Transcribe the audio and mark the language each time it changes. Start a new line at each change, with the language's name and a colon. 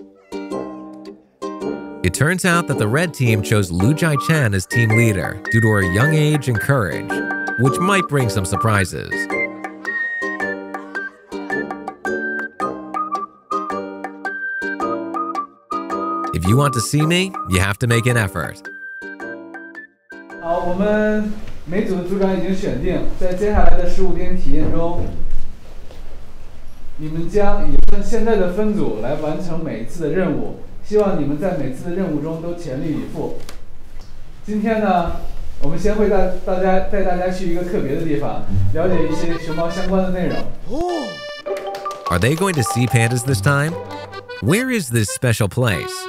English: It turns out that the red team chose Lu Jiaichen as team leader due to her young age and courage, which might bring some surprises. If you want to see me, you have to make an effort.
Chinese: 好，我们每组的组长已经选定，在接下来的15天体验中。你们将以现在的分组来完成每一次的任务，希望你们在每次的任务中都全力以赴。今天呢，我们先会带大家去一个特别的地方，了解一些熊猫相关的内容。
English: Are they going to see pandas this time? Where is this special place?